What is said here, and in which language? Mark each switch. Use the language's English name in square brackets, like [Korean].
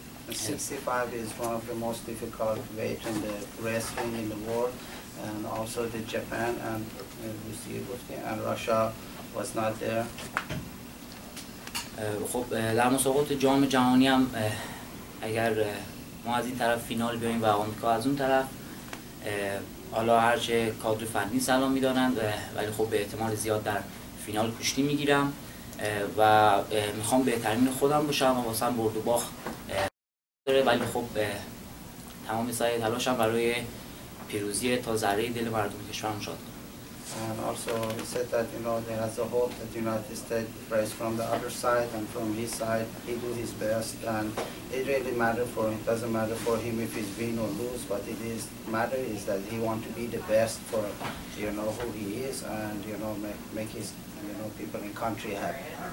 [English] 65 is one of the most difficult weight in the wrestling in the world and also the Japan and Russia and Russia was not there [Persian] خب در مسابقات جام جهانی هم اگر ما از این طرف فینال بیاییم و آمریکا از اون طرف حالا هرچه کادر فنی سلام می‌دانند ولی خب به احتمال زیاد در فینال کشتی می‌گیرم و میخوام بهترین خودم باشم و واسم برد و باخ داره، ولی خب تمام سعی تلاشم برای پیروزی تا ذره دل مردم کشورم شاد. [English] And also he said that, you know, that as a whole, that the United States raised from the other side and from his side, he did his best. And it really matter for him. It doesn't matter for him if he's win or lose. What it is matter is that he want to be the best for, you know, who he is and, you know, make his, you know, people in country happy.